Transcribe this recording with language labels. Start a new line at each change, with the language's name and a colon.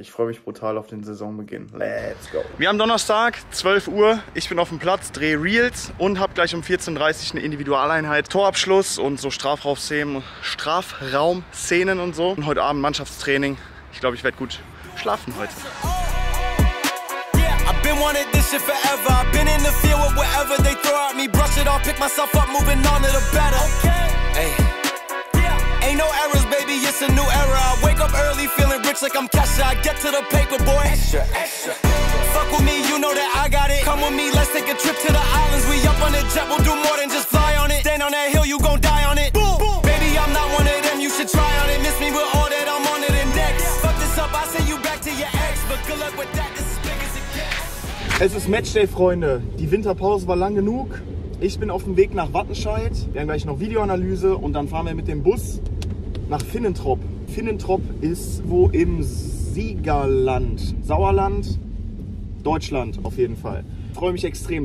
German: Ich freue mich brutal auf den Saisonbeginn.
English: Let's go.
German: Wir haben Donnerstag, 12 Uhr. Ich bin auf dem Platz, drehe Reels und habe gleich um 14:30 eine Individualeinheit, Torabschluss und so Strafraum-Szenen und so. Und heute Abend Mannschaftstraining. Ich glaube, ich werde gut schlafen heute.
English: Yeah, I've been wanting this shit forever. I've been in the field with whatever they throw at me. Brush it off, pick myself up, moving on to the better. Okay. Hey. Yeah. Ain't no errors, baby, it's a new era. I wake up early feeling rich like I'm Kesha. I get to the paper, boy. Extra, extra. Fuck with me, you know that I got it. Come with me, let's take a trip to the islands. We up on a jet, we'll do more than just fly on it. Stand on that hill, you gon' die on it. Boom, boom. Baby, I'm not one of them, you should try on it. Miss me with all that, I'm on to the next. Yeah. Fuck this up, I send you back to your ex. But good luck with that, this is big as it gets.
German: Es ist Matchday, Freunde. Die Winterpause war lang genug. Ich bin auf dem Weg nach Wattenscheid. Wir haben gleich noch Videoanalyse und dann fahren wir mit dem Bus nach Finnentrop. Finnentrop ist wo im Siegerland, Sauerland, Deutschland auf jeden Fall. Ich freue mich extrem.